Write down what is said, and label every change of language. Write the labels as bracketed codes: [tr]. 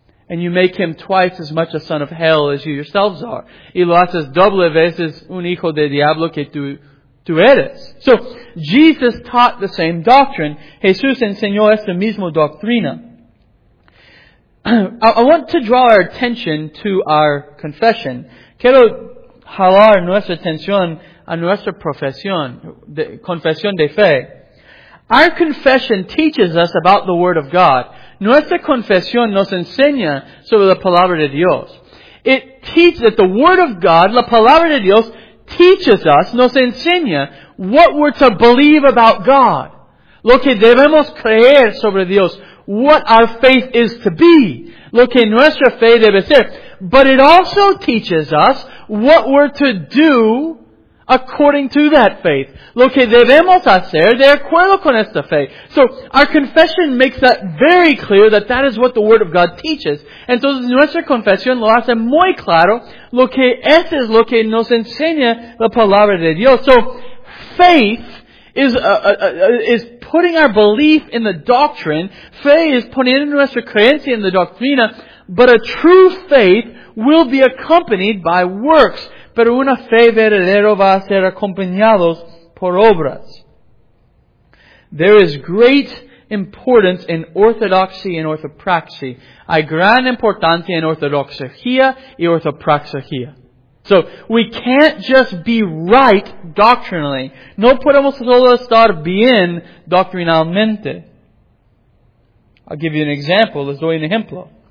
[en] And you make him twice as much a son of hell as you yourselves are. [es] Y lo haces doble veces un hijo de diablo que tú eres. [en] So, Jesus taught the same doctrine. [es] Jesús enseñó esa misma doctrina. [en] I want to draw our attention to our confession. [es] Quiero jalar nuestra atención a nuestra profesión, confesión de fe. [en] Our confession teaches us about the Word of God. [es] Nuestra confesión nos enseña sobre la Palabra de Dios. [en] It teaches that the Word of God, [es] la Palabra de Dios, [en] teaches us, [es] nos enseña, [en] what we're to believe about God. [es] Lo que debemos creer sobre Dios. [en] What our faith is to be. [es] Lo que nuestra fe debe ser. [en] But it also teaches us what we're to do according to that faith. [es] Lo que debemos hacer de acuerdo con esta fe. [en] So, our confession makes that very clear that that is what the Word of God teaches. [es] Entonces, nuestra confesión lo hace muy claro. Lo que este es lo que nos enseña la Palabra de Dios. [en] So, faith is putting our belief in the doctrine. [es] Fe is poniendo nuestra creencia en la doctrina. [en] But a true faith will be accompanied by works. [es] Pero una fe verdadera va a ser acompañada por obras. [en] There is great importance in orthodoxy and orthopraxy. [es] Hay gran importancia en ortodoxia y orthopraxia. [en] So, we can't just be right doctrinally. [es] No podemos solo estar bien doctrinalmente. [en] I'll give you an example. [es] Les doy un ejemplo.